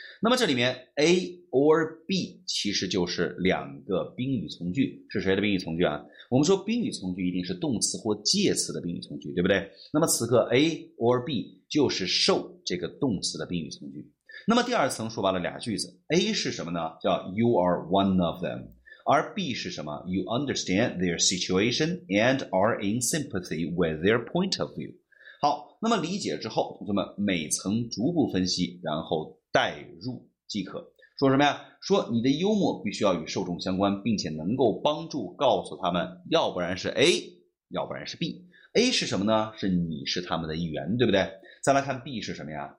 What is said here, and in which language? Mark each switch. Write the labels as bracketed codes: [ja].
[zh] 那么这里面 A or B 其实就是两个宾语从句，是谁的宾语从句啊？我们说宾语从句一定是动词或介词的宾语从句，对不对？那么此刻 A or B 就是 show 这个动词的宾语从句。那么第二层说白了俩句子， A 是什么呢？叫 [en] you are one of them， [zh] 而 B 是什么？ [en] you understand their situation and are in sympathy with their point of view。 [zh] 好，那么理解之后，同学们每层逐步分析然后带入即可。说什么呀？说你的幽默必须要与受众相关，并且能够帮助告诉他们，要不然是 A， 要不然是 B。A 是什么呢？是你是他们的一员，对不对？再来看 B 是什么呀？